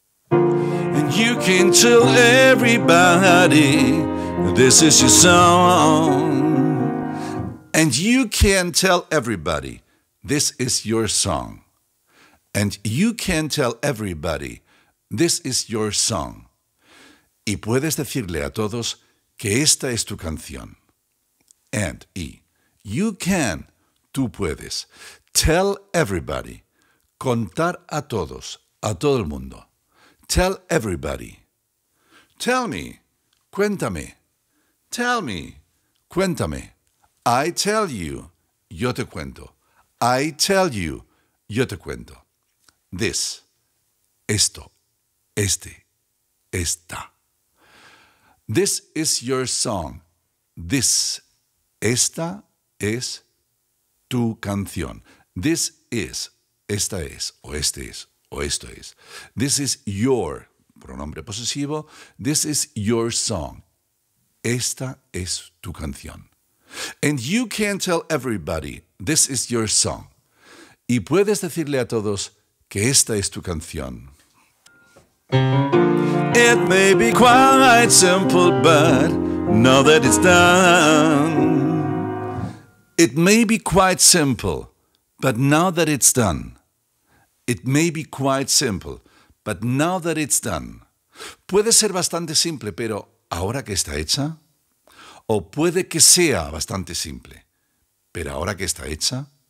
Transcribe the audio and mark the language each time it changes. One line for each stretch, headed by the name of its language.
English: And you can tell everybody this is your song. And you can tell everybody this is your song. And you can tell everybody this is your song.
Spanish: Y puedes decirle a todos que esta es tu canción.
English: And
Spanish: y
English: you can,
Spanish: tú puedes,
English: tell everybody,
Spanish: contar a todos, a todo el mundo.
English: Tell everybody. Tell me.
Spanish: Cuéntame.
English: Tell me. Cuéntame. I tell you.
Spanish: Yo te cuento.
English: I tell you. Yo te cuento.
Spanish: This, esto, este, esta.
English: This is your song. This,
Spanish: esta es tu canción.
English: This is,
Spanish: esta es, o este es, o esto es.
English: This is your,
Spanish: pronombre posesivo.
English: This is your song.
Spanish: Esta es tu canción.
English: And you can tell everybody, this is your song.
Spanish: Y puedes decirle a todos que esta es tu canción.
English: It may be quite simple, but now that it's done. It may be quite simple, but now that it's done. It may be quite simple, but now that it's done.
Spanish: Puede ser bastante simple, pero ahora que está hecha. O puede que sea bastante simple, pero ahora que está hecha.